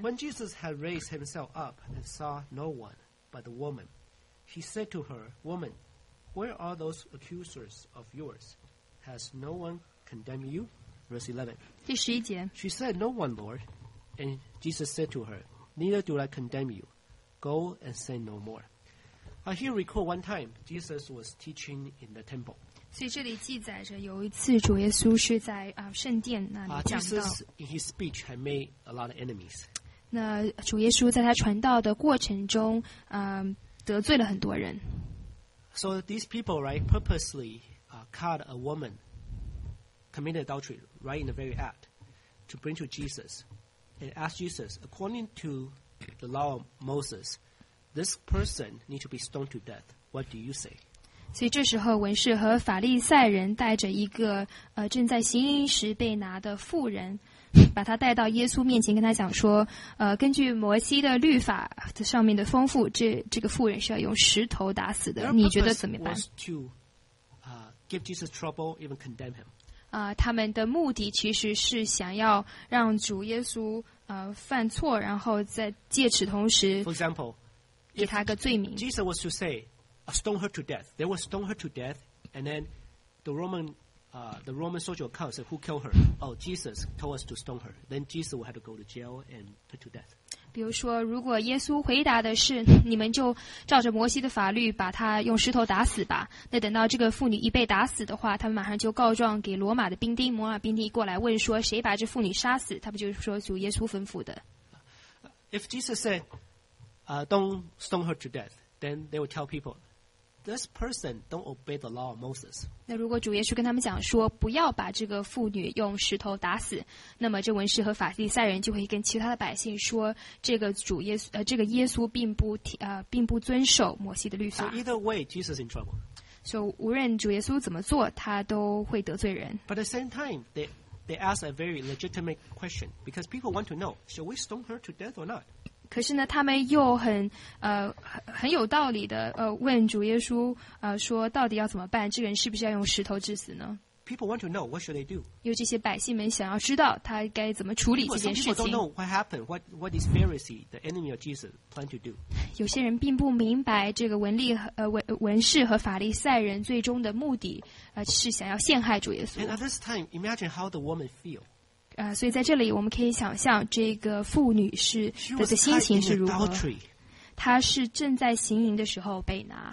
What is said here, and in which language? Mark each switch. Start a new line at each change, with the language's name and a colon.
English: When Jesus had raised himself up and saw no one but the woman, he said to her, Woman, where are those accusers of yours? Has no one condemned you? Verse 11.
Chinese: 第十一节。
English: She said, No one, Lord. And Jesus said to her, Neither do I condemn you. Go and sin no more. I here recall one time Jesus was teaching in the temple.
Chinese: 所以这里记载着有一次主耶稣是在圣殿那里讲道。
English: Jesus in his speech had made a lot of enemies.
Chinese: 那主耶稣在他传道的过程中得罪了很多人。
English: So these people, right, purposely caught a woman committed adultery right in the very act to bring to Jesus and ask Jesus, according to the law of Moses, this person need to be stoned to death. What do you say?
Chinese: 所以这时候文士和法利赛人带着一个正在行淫时被拿的妇人把他带到耶稣面前跟他讲说根据摩西的律法的上面的吩咐这个妇人是要用石头打死的你觉得怎么办
English: to, give Jesus trouble, even condemn him.
Chinese: 他们的目的其实是想要让主耶稣犯错然后在借此同时
English: For example,
Chinese: 给他个罪名
English: Jesus was to say stone her to death they will stone her to death and then the Roman soldier will come and say, Who killed her? Oh, Jesus told us to stone her. Then Jesus will have to go to jail and put to death.
Chinese: 比如说，如果耶稣回答的是，你们就照着摩西的法律把他用石头打死吧。那等到这个妇女一被打死的话，他们马上就告状给罗马的兵丁，罗马兵丁过来问说，谁把这妇女杀死？他不就是说主耶稣吩咐的
English: ？If Jesus said, "Don't stone her to death," then they will tell people. This person don't obey the law of Moses.
Chinese: 那如果主耶稣跟他们讲说不要把这个妇女用石头打死，那么这文士和法利赛人就会跟其他的百姓说，这个主耶稣这个耶稣并不遵守摩西的律法。
English: So either way, Jesus in trouble.
Chinese: So 无论主耶稣怎么做，他都会得罪人。
English: But at the same time, they ask a very legitimate question because people want to know, shall we stone her to death or not?
Chinese: 可是呢，他们又很有道理的问主耶稣说到底要怎么办？这个人是不是要用石头致死呢
English: ？People want to know what should they do.
Chinese: 因为这些百姓们想要知道他该怎么处理这件事情。
English: Some people don't know what happened. What these Pharisees, the enemy of Jesus, plan to do.
Chinese: 有些人并不明白这个文士和法利赛人最终的目的是想要陷害主耶稣。
English: And at this time, imagine how the woman feel.
Chinese: 所以在这里我们可以想象这个妇女是她的心情是如何她是正在行淫的时候被拿